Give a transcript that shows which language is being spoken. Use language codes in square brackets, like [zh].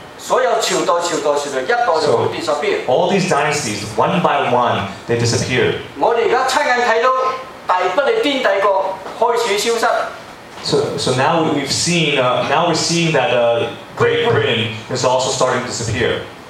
[zh] 所有朝代，一代就會消失。 [en] So, all these dynasties, one by one, they disappeared. [zh] 我們現在親眼看到大不列顛帝國開始消失。 [en] So now we've seen, now we're seeing that Great Britain is also starting to disappear.